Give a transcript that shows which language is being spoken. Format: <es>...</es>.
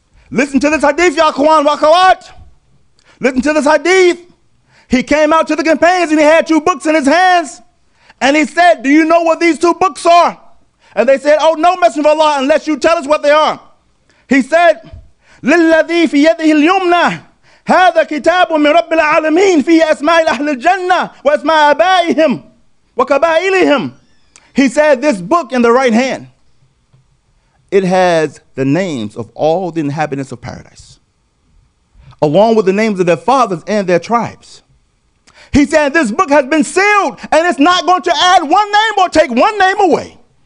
<en>Listen to this hadith, ya Quran wa Qawat. Listen to this hadith. He came out to the companions and he had two books in his hands. And he said, do you know what these two books are? And they said, oh, no, Messenger of Allah, unless you tell us what they are. He said,</en> <ar>lilladhi fi yadihi al-yumna. هذا كتاب من رب العالمين فيه أسماء أهل الجنة وأسماء آبائهم وكبائلهم.</ar> <en>He said, this book in the right hand, it has the names of all the inhabitants of paradise, along with the names of their fathers and their tribes. He said, this book has been sealed, and it's not going to add one name or take one name away.</en>